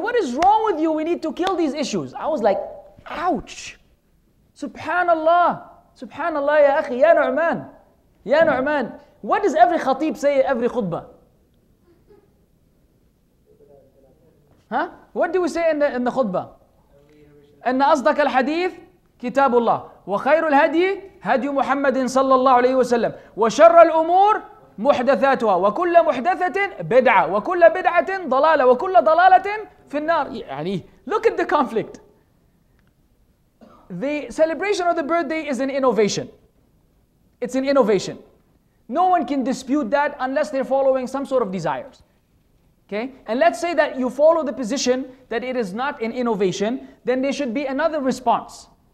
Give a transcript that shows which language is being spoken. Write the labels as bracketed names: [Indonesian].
[English] What is wrong with you? We need to kill these issues. I was like, ouch. Subhanallah. Subhanallah, ya akhi, ya Nu'man. Ya Nu'man. What does every khatib say every khutbah? Huh? What do we say in the khutbah? [Arabic] أن أصدق الحديث كتاب الله وخير الهدي هدي محمد صلى الله عليه وسلم وشر الأمور محدثاتها وكل محدثة بدعة وكل بدعة ضلالة وكل ضلالة في النار. [English] يعني look at the conflict. The celebration of the birthday is an innovation. It's an innovation. No one can dispute that unless they're following some sort of desires. Okay? And let's say that you follow the position that it is not an innovation, then there should be another response.